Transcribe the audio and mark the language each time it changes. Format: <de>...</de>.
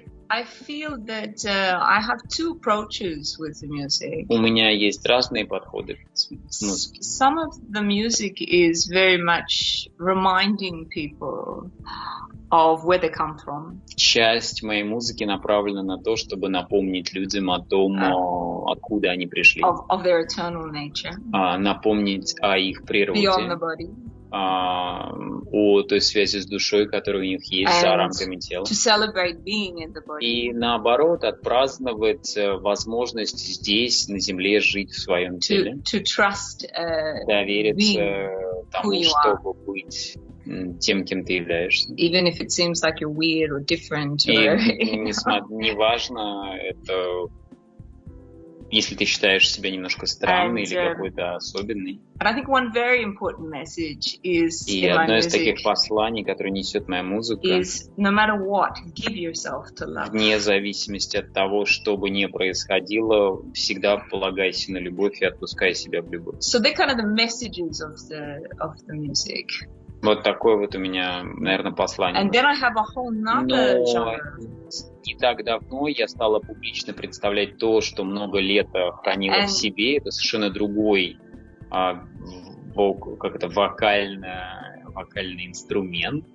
<en>I feel that I have two approaches with the music.</en> <ru>У меня есть разные подходы к музыке.</ru> <en>Some of the music is very much reminding people of where they come from.</en> <ru>Часть моей музыки направлена на то, чтобы напомнить людям о том, откуда они пришли.</ru> <en>Of their eternal nature.</en> <ru>Напомнить о их природе.</ru> <en>Beyond the body.</en> <ru>О той связи с душой, которая у них есть,</ru> <en>and</en> <ru>за рамками тела.</ru> <en>To celebrate being in the body.</en> <ru>И наоборот, отпраздновать возможность здесь, на земле, жить в своем теле.</ru> <en>To trust,</en> <ru>довериться тому, чтобы быть тем, кем ты являешься.</ru> <en>Even if it seems like you're weird or different, or,</en> <ru>неважно, это если ты считаешь себя немножко странный или какой-то особенный.</ru> <en>And I think one very important message is</en> <ru>и</ru> <en>in</en> <ru>одно из таких посланий, которое несет моя музыка,</ru> <en>is no matter what, give yourself to love.</en> <ru>Вне зависимости от того, что бы ни происходило, всегда полагайся на любовь и отпускай себя в любовь.</ru> <en>So they're kind of the messages of the music.</en> <ru>Вот такое вот у меня, наверное, послание.</ru> <en>And then I have a whole nother genre.</en> <ru>Не так давно я стала публично представлять то, что много лет хранила в себе. Это совершенно другой как это, вокальный инструмент.</ru>